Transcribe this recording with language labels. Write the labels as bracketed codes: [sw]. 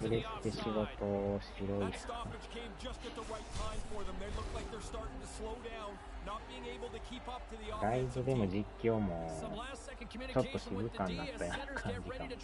[ja] 触れて仕事を拾いますか。 [en] ストップ came just at the right time for them. They look like they're starting to slow down, not being able to keep up to the offense. [ja] 外部でも実況もちょっと静かになったような感じが。